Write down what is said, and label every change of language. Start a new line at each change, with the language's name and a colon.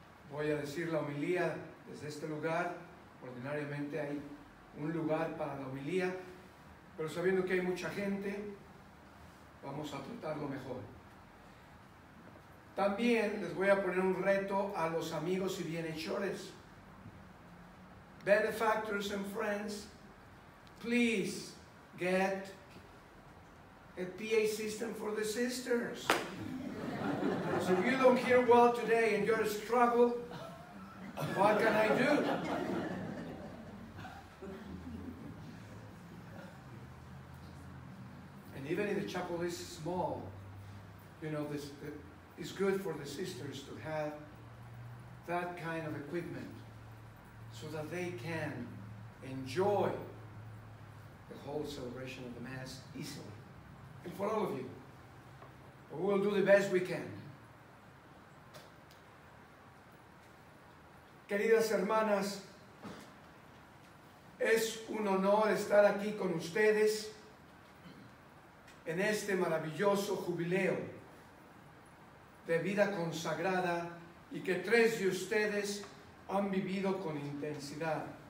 Spanish: Voy a decir la homilía desde este lugar. Ordinariamente hay un lugar para la homilía, pero sabiendo que hay mucha gente, vamos a tratarlo mejor. También les voy a poner un reto a los amigos y bienhechores.
English: Benefactors and friends, please get a PA system for the sisters. So if you don't hear well today and you're a struggle, what can I do? And even if the chapel is small, you know, this is good for the sisters to have that kind of equipment so that they can enjoy the whole celebration of the Mass easily. And for all of you, we'll do the best we can.
Spanish: Queridas hermanas, es un honor estar aquí con ustedes en este maravilloso jubileo de vida consagrada y que tres de ustedes han vivido con intensidad.